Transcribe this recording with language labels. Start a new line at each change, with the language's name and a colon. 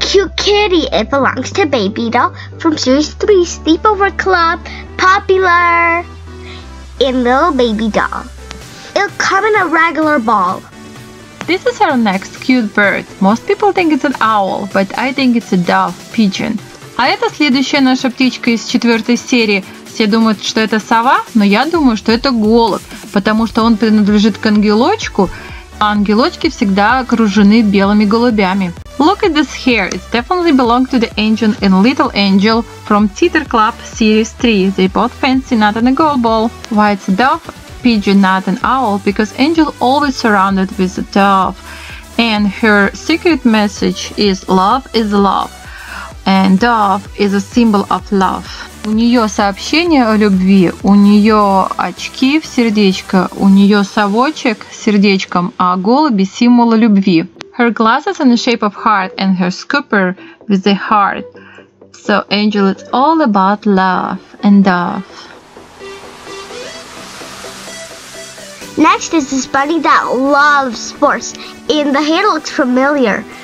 English: cute kitty. It belongs to Baby Doll from Series 3 Sleepover Club, Popular, and Little Baby Doll. It'll come in a regular ball. This is our next cute bird. Most people think it's an owl, but I think it's a dove, pigeon.
Russian: А это следующая наша птичка из четвертой серии. Все думают, что это сова, но я думаю, что это голубь, потому что он принадлежит к ангелочку, а ангелочки всегда окружены белыми голубями.
English: Look at this hair. It definitely belongs to the angel and little angel from Teeter Club Series 3. They both fancy not in a gold ball. Why it's a dove, pigeon, not an owl? Because angel always surrounded with a dove. And her secret message is love is love. And dove is a symbol of love.
Russian: У нее сообщение о любви, у нее очки в сердечко, у нее совочек с сердечком, а голуби – символ любви.
English: Her glasses in the shape of heart and her scooper with the heart. So angel, it's all about love and dove. Next is this bunny that loves sports and the hair looks familiar.